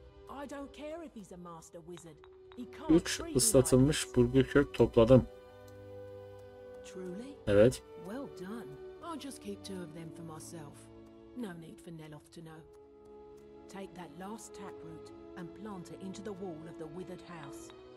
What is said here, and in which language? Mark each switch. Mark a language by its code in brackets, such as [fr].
[en] I don't care if he's a master wizard. He can't. [tr] 3 ıslatılmış burgu kök topladım. [en] Truly? [tr] Evet. [en] Well done. I'll just keep 2 of them for myself. No need for Neloth to know. Take that last taproot and plant it into the wall of the withered house.